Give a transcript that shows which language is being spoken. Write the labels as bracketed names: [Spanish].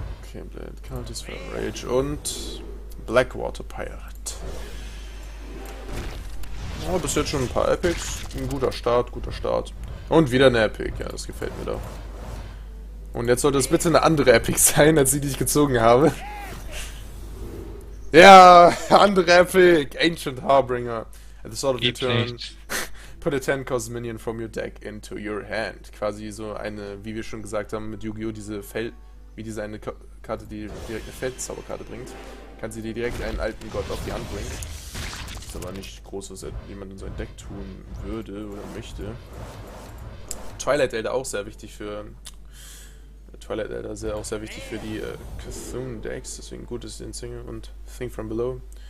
[German] Okay, Blade Cultis for Rage und Blackwater Pirate. Oh, bis jetzt schon ein paar Epics. Ein guter Start, guter Start. Und wieder eine Epic, ja, das gefällt mir doch. Und jetzt sollte es bitte eine andere Epic sein, als die, die ich gezogen habe. Ja, andere Epic! Ancient Harbinger. [English] At the start of your turn, put a 10-cost minion from your deck into your hand. [German] Quasi so eine, wie wir schon gesagt haben, mit Yu-Gi-Oh! Diese Feld. Wie diese eine Karte, die direkt eine Feldzauberkarte bringt. Kann sie dir direkt einen alten Gott auf die Hand bringen. Ist aber nicht groß, was jemand in sein Deck tun würde oder möchte. Twilight Elder auch sehr wichtig für. Twilight Elder ist auch sehr wichtig für die C'Thun Decks, deswegen gut ist den Single und Think from Below.